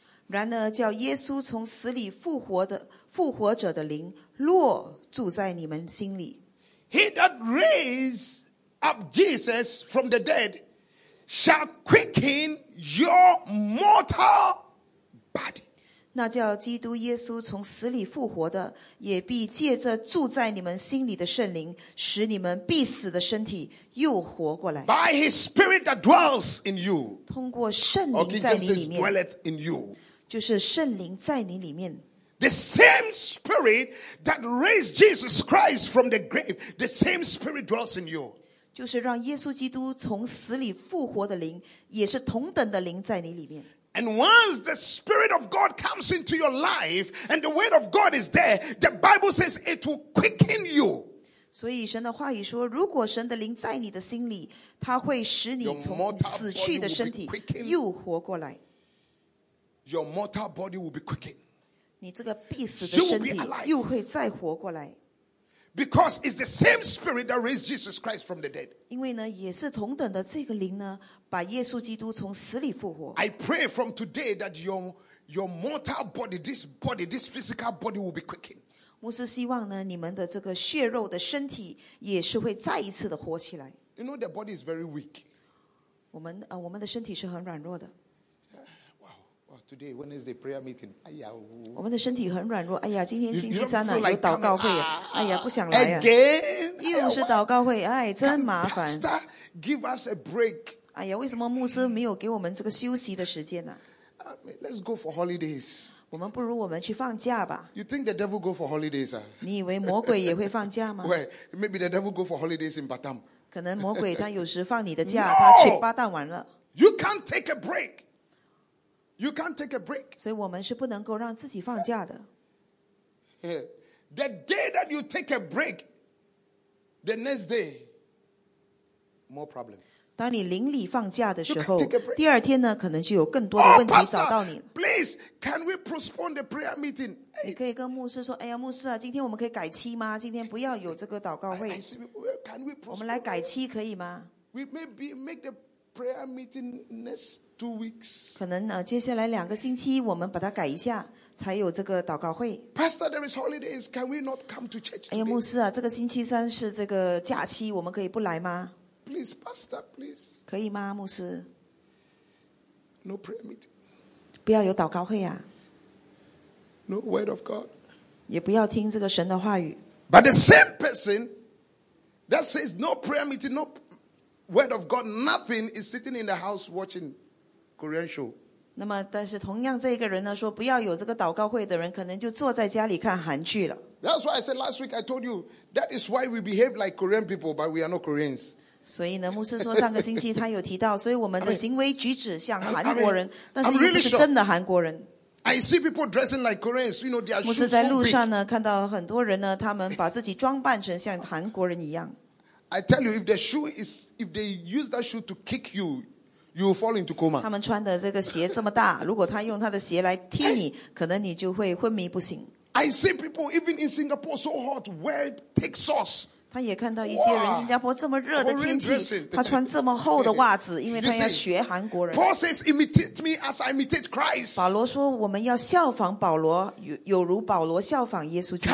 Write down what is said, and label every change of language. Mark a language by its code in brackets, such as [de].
[zh] 然而，叫耶稣从死里复活的复活者的灵落住在你们心里。 [en] He that raised up Jesus from the dead shall quicken your mortal body. [zh] 那叫基督耶稣从死里复活的，也必借着住在你们心里的圣灵，使你们必死的身体。又活过来。 [en] By his spirit that dwells in you. [zh] 通过圣灵在你里面。 [en] Dwelleth in you. [zh] 就是圣灵在你里面。 [en] The same spirit that raised Jesus Christ from the grave, the same spirit dwells in you. [zh] 就是让耶稣基督从死里复活的灵，也是同等的灵在你里面。 [en] And once the spirit of God comes into your life, and the word of God is there, the Bible says it will quicken you. [zh] 所以神的话语说，如果神的灵在你的心里，他会使你从死去的身体又活过来。 [en] Your mortal body will be quickened. [zh] 你这个必死的身体又会再活过来。 [en] Because it's the same spirit that raised Jesus Christ from the dead. [zh] 因为呢，也是同等的这个灵呢，把耶稣基督从死里复活。 [en] I pray from today that your mortal body, this physical body will be quickened. [zh] 牧师希望呢，你们的这个血肉的身体也是会再一次的活起来。 [en] You know, the body is very weak. [zh] 我们的身体是很软弱的。 [en] Wow, today Wednesday prayer meeting. [zh] 哎呀，我们的身体很软弱。哎呀，今天星期三呢、啊，有祷告会、啊。哎呀，不想来呀、啊。 [en] Again, [zh] 又是祷告会，哎，真麻烦。 [en] Can Pastor give us a break? [zh] 哎呀，为什么牧师没有给我们这个休息的时间呢、 [en] 啊？Let's go for holidays. [zh] 我们不如我们去放假吧。 [en] You think the devil go for holidays?、啊、 [zh] 你以为魔鬼也会放假吗？ [en] Well, maybe the devil go for holidays in Batam. [zh] 可能魔鬼他有时放你的假， [en] no! [zh] 他去巴旦玩了。 [en] You can't take a break. You can't take a break. [zh] 所以我们是不能够让自己放假的。 [en] The day that you take a break, the next day, more problems. [zh] 当你临里放假的时候，第二天呢，可能就有更多的问题找到你。 [en] Oh, Pastor, please, can we postpone the prayer meeting? [zh] 你可以跟牧师说，哎呀，牧师啊，今天我们可以改期吗？今天不要有这个祷告会。我们来改期可以吗？ [en] We may be, make the prayer meeting next 2 weeks. [zh] 可能呢，接下来两个星期我们把它改一下。才有这个祷告会。 [en] Pastor, there is holidays. Can we not come to church today? [zh] 哎呀，牧师啊，这个星期三是这个假期，我们可以不来吗？ [en] Please, Pastor, please. [zh] 可以吗，牧师？ [en] No prayer meeting. [zh] 不要有祷告会啊。 [en] No word of God. [zh] 也不要听这个神的话语。 [en] But the same person that says no prayer meeting, no word of God, nothing is sitting in the house watching Korean show. [zh] 那么但是同样这个人呢说不要有这个祷告会的人可能就坐在家里看韩剧了。 [en] That's why I said last week I told you that is why we behave like Korean people but we are not Koreans. [zh] 所以呢牧师说上个星期他有提到所以我们的行为举止像韩国人 [en] I mean, [zh] 但是又不是真的韩国人。 [en] I see people dressing like Koreans, you know, they are [zh] 牧师在路上呢看到很多人呢他们把自己装扮成像韩国人一样。 [en] I tell you, if they use that shoe to kick you,You will fall into coma. [zh] 他们穿的这个鞋这么大，如果他用他的鞋来踢你，可能你就会昏迷不醒。 [en] I see people even in Singapore so hot wear thick socks. [zh] 他也看到一些人新加坡这么热的天气，他穿这么厚的袜子，因为他要学韩国人。 [en] Paul says, "Imitate me as I imitate Christ." [zh] 保罗说，我们要效仿保罗，有如保罗效仿耶稣基督。